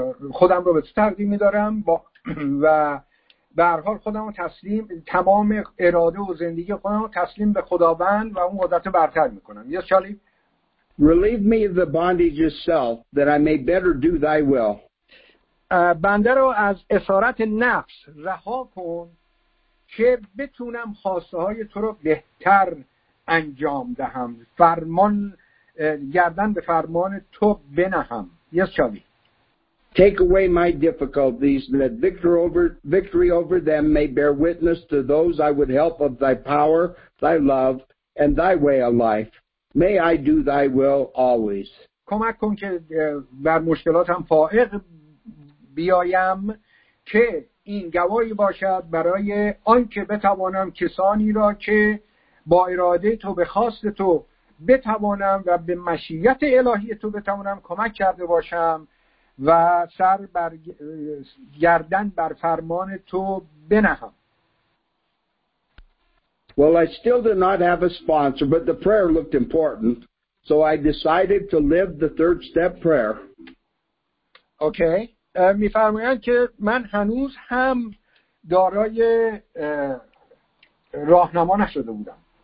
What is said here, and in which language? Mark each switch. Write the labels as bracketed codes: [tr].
[fa] خودم رو به تو تقدیم می‌دارم و به هر حال خودم رو تسلیم، تمام اراده و زندگی خودم رو تسلیم به خداوند و اون قدرت برتر می‌کنم. [en] Yes, Charlie. Relieve me of the bondage of self that I may better do thy will. [fa] بنده رو از اسارت نفس رها کن که بتونم خواسته های تو رو بهتر انجام دهم، فرمان گردن به فرمان تو بنهم. [en] Yes, Charlie. Take away my difficulties that victory over them may bear witness to those I would help of thy power, thy love and thy way of life. May I do thy will always. [fa] کمک کن که بر مشکلاتم فائق بیایم که این گواهی باشد برای آن که بتوانم کسانی را که با اراده تو به خواست تو بتوانم و به مشیت الهی تو بتوانم کمک کرده باشم و سر بر گردن بر فرمان تو بنهم. [en] Well, I still did not have a sponsor, but the prayer looked important, so I decided to live the third step prayer. Okay. [fa] می‌فرمایند که من هنوز هم دارای راهنما نشده بودم.